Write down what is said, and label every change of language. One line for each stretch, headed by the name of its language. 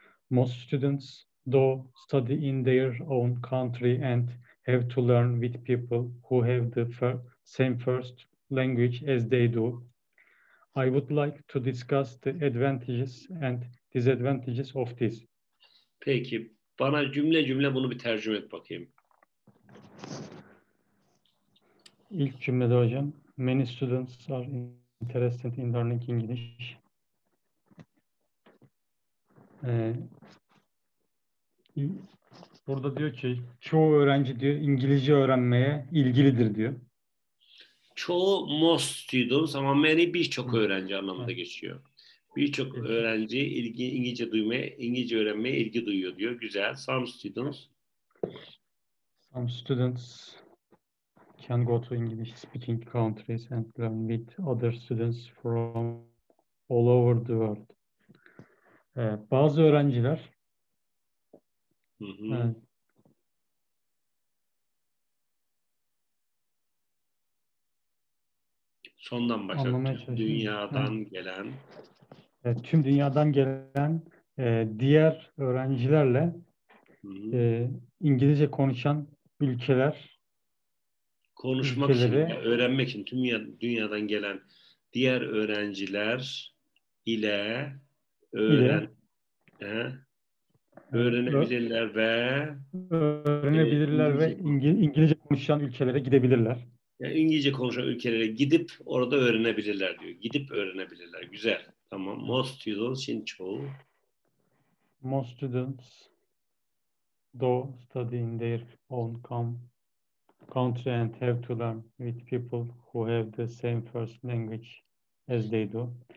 English: Most students, though, study in their own country and have to learn with people who have the same first language as they do. I would like to discuss the advantages and disadvantages of this.
Turkish: Peki, bana cümle cümle bunu bir tercüme et bakayım. İlk cümlede hocam,
English: many students are interested in learning English.
Turkish: Burada diyor ki çoğu öğrenci diyor İngilizce öğrenmeye ilgilidir diyor. Çoğu
English: most students
Turkish: ama many birçok öğrenci anlamında geçiyor. Birçok öğrenci İngilizce öğrenmeye ilgi duyuyor diyor. Güzel.
English: Some students can go to English speaking countries and learn with other students from all over the world.
Turkish: Bazı öğrenciler evet. sondan başlatıyorum. Dünyadan gelen. Tüm dünyadan gelen diğer öğrencilerle İngilizce konuşan ülkeler. Konuşmak ülkeleri, için, öğrenmek için tüm dünyadan gelen diğer öğrenciler ile öğrenebilirler ve öğrenebilirler ve İngilizce konuşan ülkelere gidebilirler. Yani İngilizce konuşan ülkelere gidip orada öğrenebilirler diyor. Gidip öğrenebilirler. Güzel. Tamam.
English: Most students
Turkish: in çoğu.
English: Most students do study in their own country and have to learn with people who have the same first language as they do.